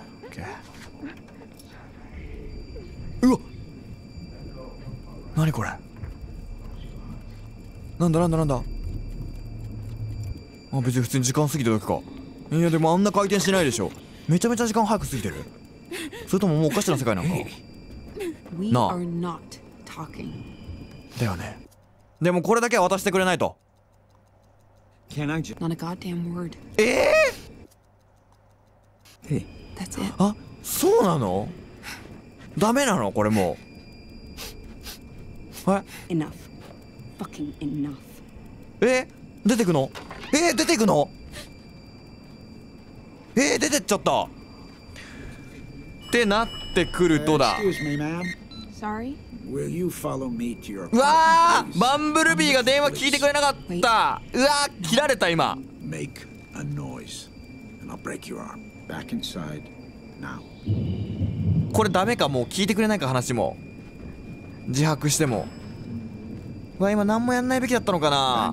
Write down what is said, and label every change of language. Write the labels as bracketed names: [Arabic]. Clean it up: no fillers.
[Japanese] オッケー。うわ、なにこれ、なんだなんだなんだ。あ、別に普通に時間過ぎただけか。いやでもあんな回転しないでしょ。めちゃめちゃ時間早く過ぎてる。それとももうおかしな世界なんか。 [English] なあ、 We are not talking. [Japanese] だよね。でもこれだけは渡してくれないと。 [English] Can I just... Not a goddamn word. Hey. That's it. [Japanese] あ、そうなの？ダメなの？これもう。え？ [English] Enough. Fucking enough. [Japanese] 出てくの？出てくの？出てっちゃった。ってなってくるとだ。 [English] Excuse me, ma'am. Sorry? Will you follow me to your [Japanese] apartment? うわあ、バンブルビーが電話聞いてくれなかった。うわあ、切られた今。 [English] Make a noise, and I'll break your arm. Back inside now. [Japanese] これダメか、もう聞いてくれないか話も。自白しても。うわ、今何もやんないべきだったのかな。